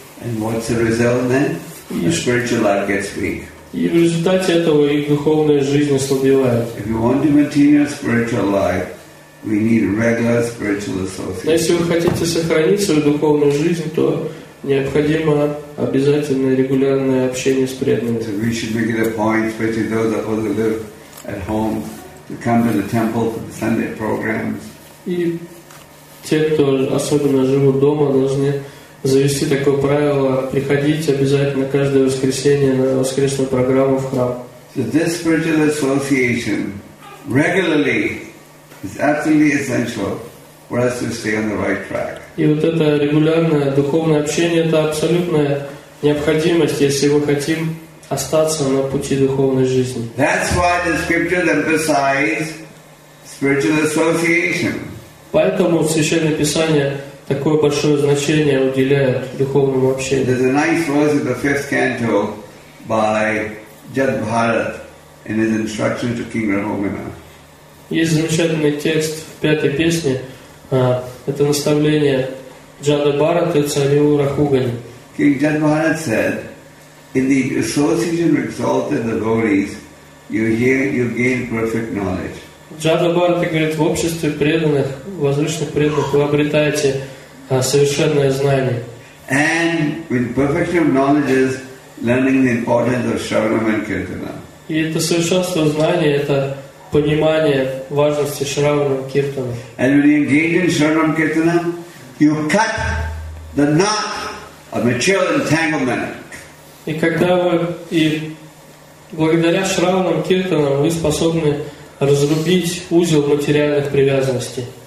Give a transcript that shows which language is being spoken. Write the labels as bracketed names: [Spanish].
[English] And what's the result then? The spiritual life gets weak. [Russian] И в результате этого их духовная жизнь ослабевает. [English] If you want to maintain your spiritual life, we need regular spiritual association. [Russian] Если вы хотите сохранить свою духовную жизнь, то необходимо обязательно регулярное общение с преданными. [English] So we should make it a point, especially those of us who live at home, to come to the temple for the Sunday programs. [Russian] И те, кто особенно живут дома, должны завести такое правило: приходить обязательно каждое воскресенье на воскресную программу в храм. [English] So this spiritual association regularly. It's absolutely essential for us to stay on the right track. [Russian] И вот это регулярное духовное общение — это абсолютно необходимость, если мы хотим остаться на пути духовной жизни. [English] That's why the scriptures emphasize spiritual association. [Russian] Поэтому в Священном Писании такое большое значение уделяют духовному общению. [English] There's a nice verse in the fifth canto by Jad Bharat in his instruction to King Rahomana. [Russian] Есть замечательный текст в пятой песне. Это наставление Джада Бхараты царю Рахугани. [English] King Jad Bharat said, in the association of exalted devotees, you gain perfect knowledge. [Russian] Джада Бхарата говорит, в обществе преданных, возвышенных преданных, вы обретаете совершенное знание. [English] And with perfection of knowledge is learning the importance of Shravanam and Kirtana. [Russian] И это совершенство знания, это понимание важности Шравана Киртана. [English] And when you engage in Shravanam Kirtana, you cut the knot of material entanglement. [Russian] И когда вы и благодаря Шравана Киртана вы способны разрубить узел материальных привязанностей.